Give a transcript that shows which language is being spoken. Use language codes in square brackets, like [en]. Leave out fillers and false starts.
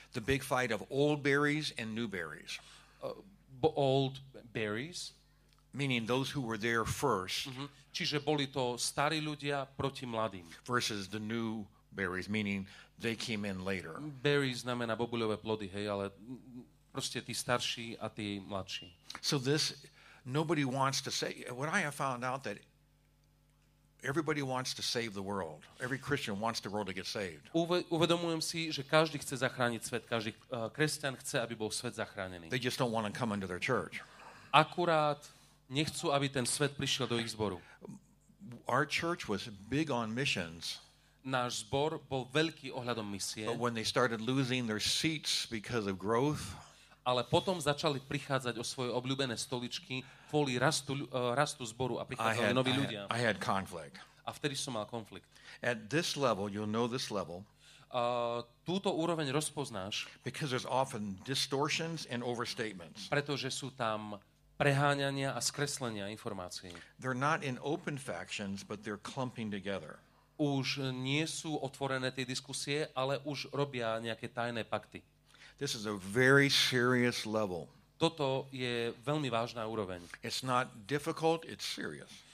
[en] The big fight of old berries and new berries. Old berries, meaning those who were there first. [sk] Čiže boli to starí ľudia proti mladým. [en] Versus the new berries, meaning they came in later. [sk] Berries znamená bobuľové plody, hej, ale proste tí starší a tí mladší. [en] So this, nobody wants to say, what I have found out that everybody wants to save the world. Every Christian wants the world to get saved. [sk] Uvedomujem si, že každý chce zachrániť svet, každý kresťan chce, aby bol svet zachránený. [en] They just don't want to come into their church. [sk] Akurát nechcú, aby ten svet prišiel do ich zboru. [en] Our church was big on missions. [sk] Náš zbor bol veľký ohľadom misie. [en] But when they started losing their seats because of growth, [sk] ale potom začali prichádzať o svoje obľúbené stoličky kvôli rastu zboru a prichádzali noví ľudia. [en] I had conflict. [sk] A vtedy som mal konflikt. [en] At this level, you'll know this level. [sk] Túto úroveň rozpoznáš. [en] Because there's often distortions and overstatements. [sk] Pretože sú tam preháňania a skreslenia informácií. [en] They're not in open factions, but they're clumping together. [sk] Už nie sú otvorené tie diskusie, ale už robia nejaké tajné pakty. [en] This is a very serious level. [sk] Toto je veľmi vážna úroveň. [en] It's not difficult, it's serious.